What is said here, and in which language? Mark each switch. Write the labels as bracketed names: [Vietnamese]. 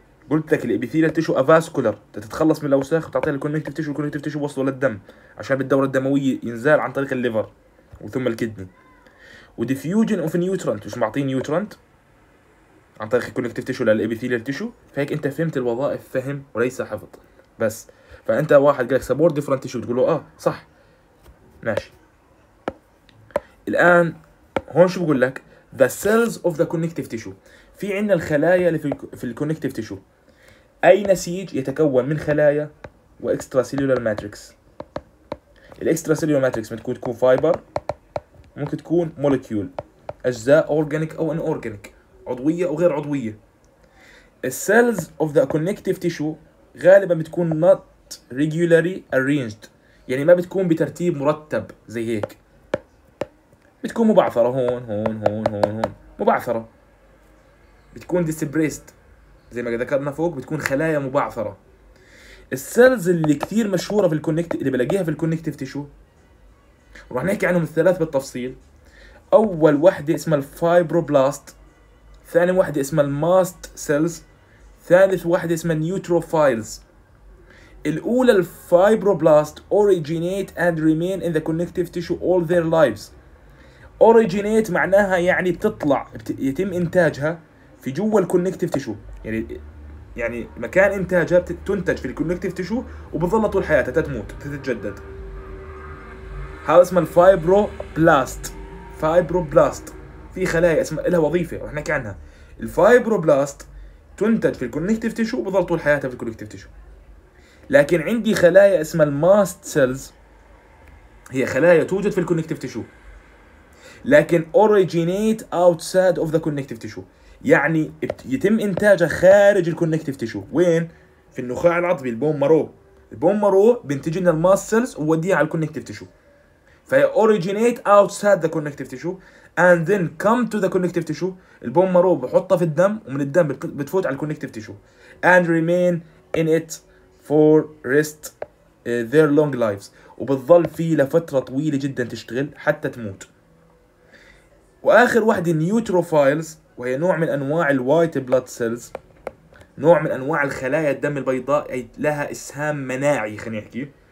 [Arabic] قلت لك الابيثيليال تيشو افاسكولار تتخلص من الاوساخ وتعطيها الكونكتيف تيشو، الكونكتيف تيشو وصله للدم عشان بالدوره الدمويه ينزال عن طريق الليفر وثم الكدني. وديفيوجن اوف نيوترينت مش معطيه نيوترينت عن طريق الكونكتيف تيشو للابيثيليال تيشو. فهيك انت فهمت الوظائف فهم وليس حفظ بس. فانت واحد قال لك [English] support different tissue [Arabic] تقول له اه صح ماشي. الان هون شو بقول لك؟ [English] The cells of the connective tissue. [Arabic] في عندنا الخلايا اللي في الـ connective tissue. اي نسيج يتكون من خلايا و extracellular matrix. الـ extracellular matrix ممكن تكون fiber، ممكن تكون molecule، اجزاء organic او inorganic، عضوية او غير عضوية. الـ cells of the connective tissue غالبا بتكون [English] not regularly arranged، [Arabic] يعني ما بتكون بترتيب مرتب زي هيك، بتكون مبعثرة هون هون هون هون هون، مبعثرة بتكون disbraced زي ما ذكرنا فوق، بتكون خلايا مبعثرة. السيلز اللي كثير مشهورة في الكونكت اللي بلاقيها في الكونكتيف تيشو ورح نحكي عنهم الثلاث بالتفصيل، أول واحدة اسمها الفايبروبلاست، ثاني واحدة اسمها الماست سيلز، ثالث واحدة اسمها النيوتروفايلز. [English] الأولى الفايبروبلاست originate and remain in the connective tissue all their lives. [Arabic] originate معناها يعني بتطلع يتم انتاجها في جوا الكونكتيف تيشو، يعني مكان انتاجها تنتج في الكونكتيف تيشو وبتظل طول حياتها تتموت تتجدد. هذا اسمه الفايبروبلاست. فايبروبلاست في خلايا اسمها لها وظيفه رح نحكي عنها. الفايبروبلاست تنتج في الكونكتيف تيشو وبتظل طول حياتها في الكونكتيف تيشو. لكن عندي خلايا اسمها الماست سيلز، هي خلايا توجد في الكونكتيف تيشو لكن [English] originate outside of the connective tissue، [Arabic] يعني يتم انتاجها خارج الكونكتيف تيشو. وين؟ في النخاع العضوي البون مارو. البون مارو بينتج لنا الماست سيلز ووديها على الكونكتيف تيشو، فهي [English] originate outside the connective tissue [Arabic] and then come to the connective tissue. البون مارو بحطها في الدم ومن الدم بتفوت على الكونكتيف تيشو [English] and remain in it for rest their long lives، [Arabic] وبتظل فيه لفتره طويله جدا تشتغل حتى تموت. واخر واحدة نيوتروفايلز، وهي نوع من انواع الوايت بلاد سيلز، نوع من انواع الخلايا الدم البيضاء، اي لها اسهام مناعي خلينا نحكي.